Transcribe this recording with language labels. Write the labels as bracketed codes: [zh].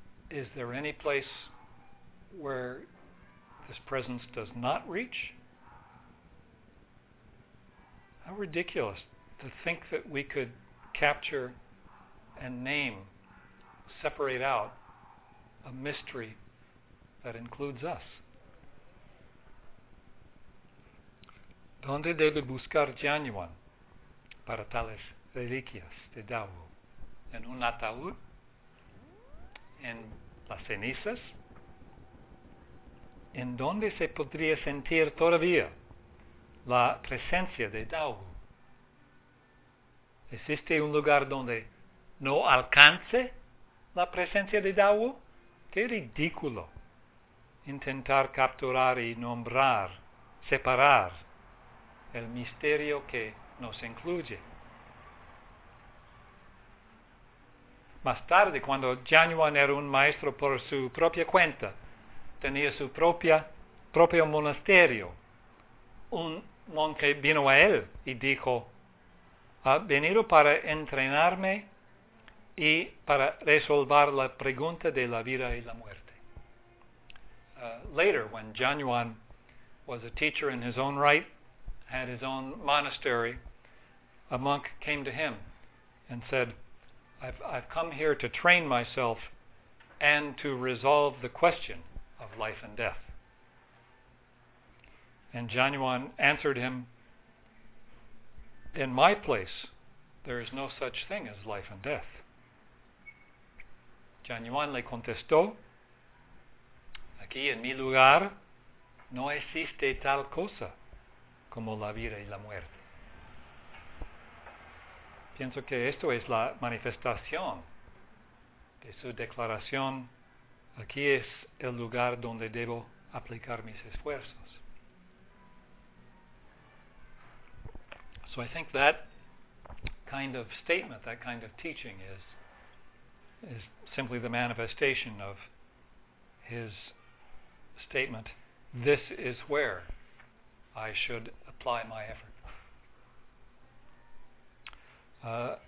[en] Is there any place where this presence does not reach? How ridiculous to think that we could capture and name, separate out a mystery that includes us. [es] ¿Dónde debe buscar Jianyuan para tales reliquias de Daowu? ¿En un ataúd? ¿En las cenizas? ¿En dónde se podría sentir todavía la presencia de Daowu? ¿Existe un lugar donde no alcance la presencia de Daowu? ¡Qué ridículo! Intentar capturar y nombrar, separar el misterio que nos incluye. Más tarde, cuando Jianyuan era un maestro por su propia cuenta, tenía su propio monasterio, un monje vino a él y dijo: ha venido para entrenarme y para resolver la pregunta de la vida y la muerte. [en] Later, when Jianyuan was a teacher in his own right, had his own monastery, a monk came to him and said, I've come here to train myself and to resolve the question of life and death. And Jianyuan answered him, in my place, there is no such thing as life and death. [es] Jianyuan le contestó, aquí en mi lugar no existe tal cosa como la vida y la muerte. Pienso que esto es la manifestación de su declaración, aquí es el lugar donde debo aplicar mis esfuerzos. [en] So I think that kind of statement, that kind of teaching is simply the manifestation of his statement, this is where I should apply my effort.